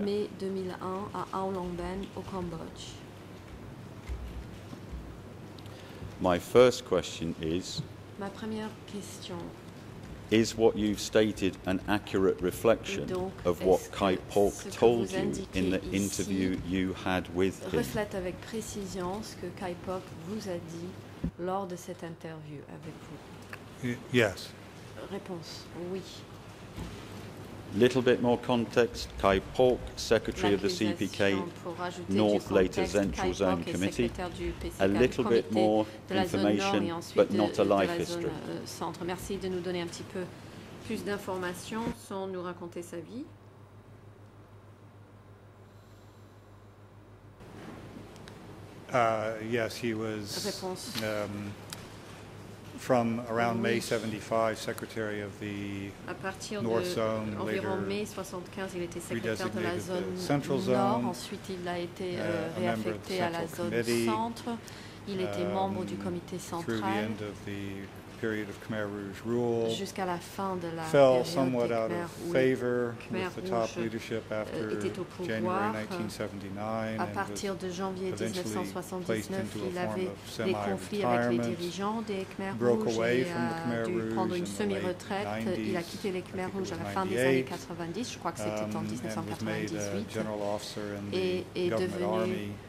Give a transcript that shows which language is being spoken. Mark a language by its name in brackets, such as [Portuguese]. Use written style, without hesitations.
[French] May 2001 à Anlung Ven, au Cambodge. [English] My first question is, [French] ma première question, [English] is what you've stated an accurate reflection of what Kai Pork told you in the interview you had with him? [French] Reflète avec précision ce que Kai Pork vous a dit lors de cette interview avec vous. [English] Yes. [French] Réponse, oui. [English] Little bit more context. Kai Pork, Secretary of the CPK North Later Central Zone Committee. A little bit more information, but not a life history. [French] Merci de nous donner un petit peu plus d'informations sans nous raconter sa vie. [English] Yes, he was from around May 75, Secretary of the North Zone, later redesignated the Central Zone, [French] ensuite il a été réaffecté à la zone centre, il était membre du comité central, [English] through the end of the period of Khmer Rouge rule, [French] jusqu'à la fin de la [English] fell somewhat out of favor with the top leadership after January 1979, [French] à partir de janvier 1979, il avait des conflits avec les dirigeants des Khmer Rouge, il a dû prendre une semi-retraite, il a quitté les Khmer Rouge à la fin des années 90, je crois que c'était en 1998, et est devenu